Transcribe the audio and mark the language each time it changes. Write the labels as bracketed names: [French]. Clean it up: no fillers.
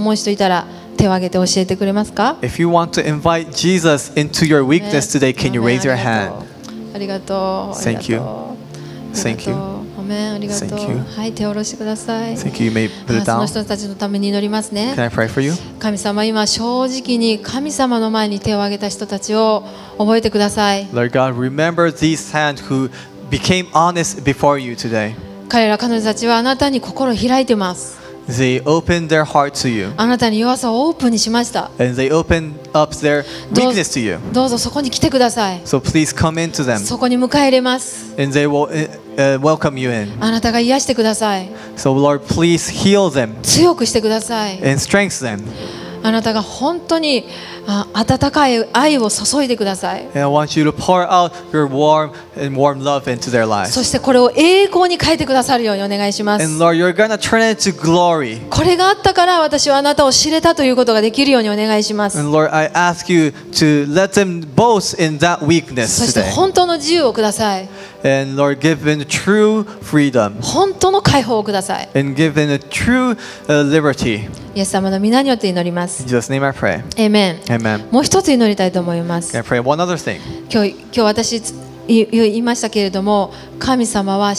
[Japanese] イエス様に自分の弱さのところに入ってきてほしいと思う人いたら手を挙げて教えてくれますか? [English] If you want to invite Jesus into your weakness today, can you raise your hand? [Japanese] ありがとう。 [English] Thank you. Thank you. Amen. Thank you. [Japanese] はい、手を下ろしてください。 [English] Thank you. You may put it down. [Japanese] その人たちのために祈りますね。 [English] Can I pray for you? [Japanese] 神様、今正直に神様の前に手を挙げた人たちを 覚えてください。 [English] Lord God, remember these hands who became honest before you today. [Japanese] 彼ら彼女たちはあなたに心を開いてます。 [English] They opened their heart to you. [Japanese] あなたに弱さをオープンにしました。 [English] And they opened up their weakness to you. [Japanese] どうぞそこに来てください。 [English] So please come into them. [Japanese] そこに迎え入れます。 [English] And they will welcome you in. [Japanese] あなたが癒してください。 [English] So Lord, please heal them. [Japanese] 強くしてください。 [English] And strengthen them. [Japanese] あなたが本当に温かい愛を注いでください。 [English] And I want you to pour out your warm love into their lives. [Japanese] そしてこれを栄光に変えてくださるようにお願いします。 [English] And Lord, you're gonna turn it to glory. [Japanese] これがあったから私はあなたを知れたということができるようにお願いします。 [English] And Lord, I ask you to let them boast in that weakness today. [Japanese] そして本当の自由をください。 [English] And Lord, give them true freedom. [Japanese] 本当の解放をください。 [English] And give them a true liberty. [Japanese] イエス様の御名によって祈ります。 [English] In Jesus' name I pray. Amen. Amen. [Japanese] もう一つ祈りたいと思います。 [English] I pray one other thing. [Japanese] 今日私言いましたけれども、神様は